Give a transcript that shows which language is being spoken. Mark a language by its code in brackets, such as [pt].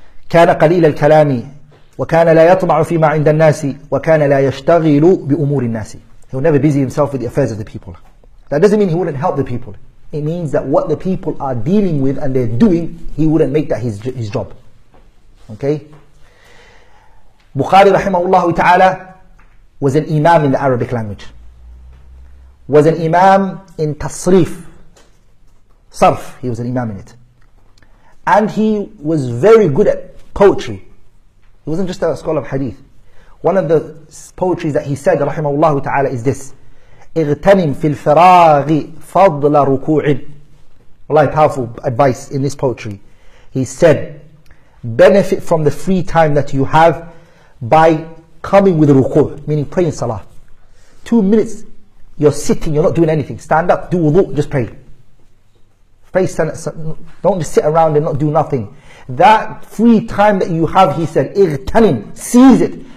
[ar] كان قليل الكلام وكان لا يطمع فيما عند الناس وكان لا يشتغل بأمور الناس. [en] He will never busy himself with the affairs of the people. That doesn't mean he wouldn't help the people. It means that what the people are dealing with and they're doing, he wouldn't make that his job. Okay? Bukhari rahimahullah ta'ala was an imam in the Arabic language. Was an imam in tasrif. Sarf, he was an imam in it. And he was very good at poetry. He wasn't just a scholar of hadith. One of the poetry that he said rahimahullah ta'ala is this. [ar] اغتنم في الفراغ فضل ركوع. [en] Wallahi, powerful advice in this poetry. He said, benefit from the free time that you have by coming with a ruku', meaning praying salah. 2 minutes, you're sitting, you're not doing anything. Stand up, do wudu', just pray. Pray, stand up, don't just sit around and not do nothing. That free time that you have, he said, اغتنم, seize it.